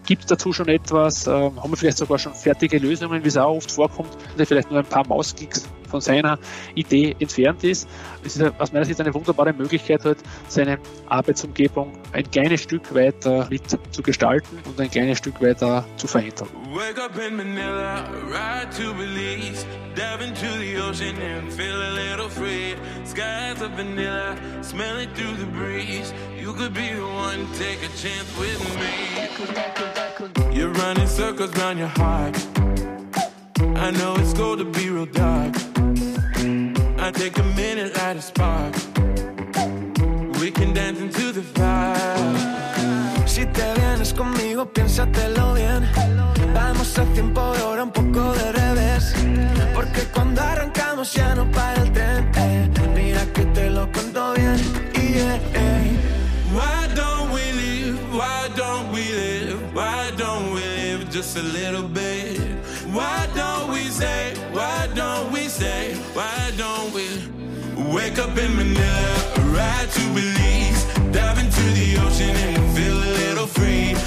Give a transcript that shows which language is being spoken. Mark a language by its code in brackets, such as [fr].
[de] Gibt es dazu schon etwas? Haben wir vielleicht sogar schon fertige Lösungen, wie es auch oft vorkommt, die vielleicht nur ein paar Mausklicks von seiner Idee entfernt ist. Es ist aus meiner Sicht eine wunderbare Möglichkeit, halt, seine Arbeitsumgebung ein kleines Stück weiter mit zu gestalten und ein kleines Stück weiter zu verändern. [en] Wake up in Manila, ride to Belize, dive into the ocean and feel a little free. Skies of vanilla, smell it through the breeze. You could be the one, take a chance with me. You're running circles around your heart. I know it's going to be real dark. I take a minute, light a spark. We can dance into the fire. [es] Si te vienes conmigo, piénsatelo bien. Vamos al tiempo y ahora un poco de revés. Porque cuando arrancamos ya no para el tren. Mira que te lo cuento bien. [en] Yeah, yeah. Why don't we live? Why don't we live? Why don't we live just a little bit? Why don't we say, why don't we say, why don't we wake up in Manila, ride to Belize, dive into the ocean and feel a little free.